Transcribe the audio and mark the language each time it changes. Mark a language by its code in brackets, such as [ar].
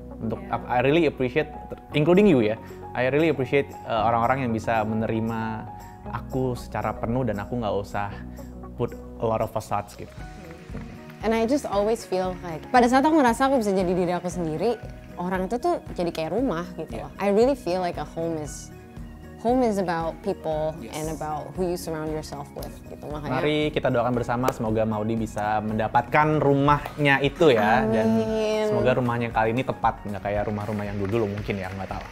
[id] Untuk [en] I really appreciate, including you [id] ya, [en] I really appreciate [id] orang-orang yang bisa menerima aku secara penuh dan aku nggak usah [en] put a lot of facades [id] gitu. [en] And I just always feel like [id] pada saat aku ngerasa aku bisa jadi diri aku sendiri, orang itu tuh jadi kayak rumah gitu. [en] Yeah. I really feel like a home is about people and about who you surround yourself with gitu. [id] Makanya. Mari kita doakan bersama semoga Maudy bisa mendapatkan rumahnya itu ya. Amin. Dan semoga rumahnya kali ini tepat nggak kayak rumah-rumah yang dulu mungkin ya nggak tahu.